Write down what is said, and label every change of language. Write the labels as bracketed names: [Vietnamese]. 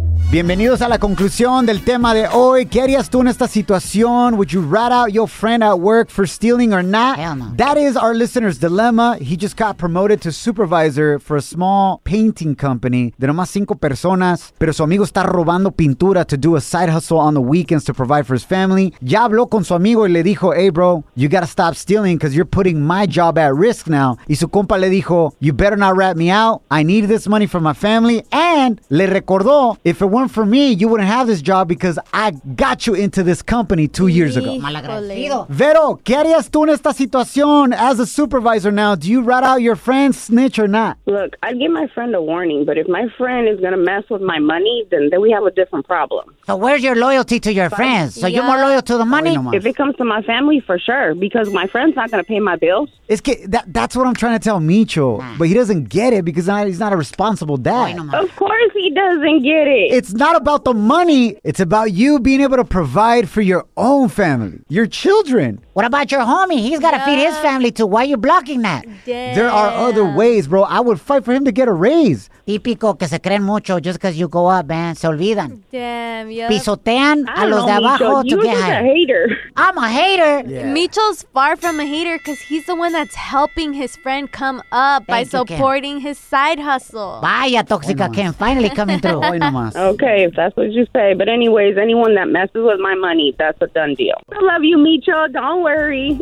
[Spanish] Bienvenidos a la conclusión del tema de hoy. ¿Qué harías tú en esta situación? [English] Would you rat out your friend at work for stealing or not? Hell no. That is our listener's dilemma. He just got promoted to supervisor for a small painting company [Spanish] de nomás cinco personas, pero su amigo está robando pintura [English] to do a side hustle on the weekends to provide for his family. [Spanish] Ya habló con su amigo y le dijo, [English] hey bro, you gotta stop stealing because you're putting my job at risk now. [Spanish] Y su compa le dijo, [English] you better not rat me out. I need this money for my family. And [Spanish] le recordó, [English] if it weren't for me, you wouldn't have this job because I got you into this company 2 years ago. [Spanish] Malagradecido. Vero, ¿qué harías tú en esta situación [English] as a supervisor now? Do you rat out your friend, snitch or not? Look, I'd give my friend a warning, but if my friend is going to mess with my money, then we have a different problem. So where's your loyalty to your friends? So you're more loyal to the money? If it comes to my family, for sure, because my friend's not going to pay my bills. [Spanish] Es que [English] that's what I'm trying to tell Micho, but he doesn't get it because he's not a responsible dad. Of course he doesn't get it. It's not about the money. It's about you being able to provide for your own family, your children. What about your homie? He's got to feed his family too. Why are you blocking that? Damn. There are other ways, bro. I would fight for him to get a raise. [Spanish] Típico que se creen mucho [English] just because you go up, man. [Spanish] Se olvidan. [English] Damn, yeah. [Spanish] Pisotean a los de abajo [English] to get high. You're just a hater. I'm a hater. Yeah. Micho's far from a hater because he's the one that's helping his friend come up by supporting his side hustle. Vaya, Tóxica Ken, finally coming through. [Spanish] Hoy nomás. [English] Okay, if that's what you say. But anyways, anyone that messes with my money, that's a done deal. I love you, Micho. Don't worry.